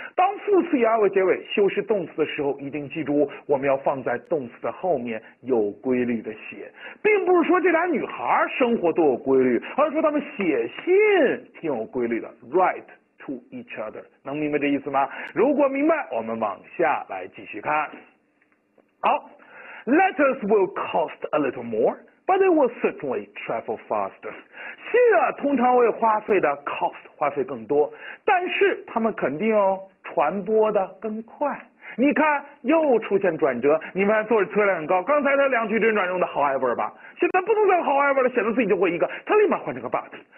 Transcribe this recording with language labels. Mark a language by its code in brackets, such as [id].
[zh] 当副词以 ly 结尾修饰动词的时候，一定记住我们要放在动词的后面，有规律的写。并不是说这俩女孩生活都有规律，而是说她们写信挺有规律的， [en] write to each other。 [zh] 能明白这意思吗？如果明白，我们往下来继续看。 [en] 好， letters will cost a little more but they will certainly travel faster。 [zh] 信啊，通常会花费的 cost 花费更多，但是他们肯定哦传播的更快。你看，又出现转折。你们做的车辆很高，刚才的两句真转用的 however 吧，现在不能再 however 了，显得自己就会一个，他立马换成个 but。